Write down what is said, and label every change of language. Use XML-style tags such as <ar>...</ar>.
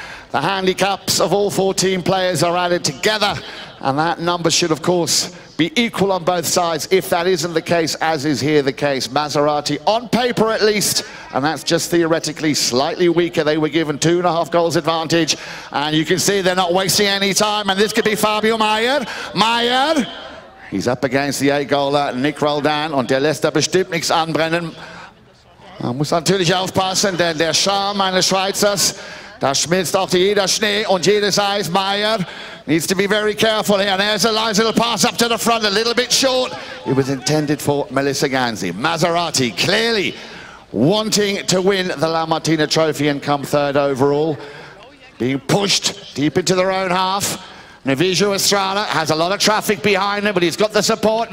<en>The handicaps of all 14 players are added together, and that number should, of course, be equal on both sides. If that isn't the case, as is here the case, Maserati, on paper at least, and that's just theoretically slightly weaker. They were given 2.5 goals advantage, and you can see they're not wasting any time, and this could be Fabio Meyer. Meyer! He's up against the 8-goaler, Nick Roldan,</en> <de>und der lässt da bestimmt nichts anbrennen. Man muss natürlich aufpassen, denn der Charme eines Schweizers, da schmilzt auch jeder Schnee und jedes Eis.</de> <en>Meyer needs to be very careful here. And there's a nice little pass up to the front, a little bit short. It was intended for Melissa Ganzi. Maserati clearly wanting to win the La Martina Trophy and come third overall. Being pushed deep into their own half. Novillo Estrada has a lot of traffic behind him, but he's got the support.</en>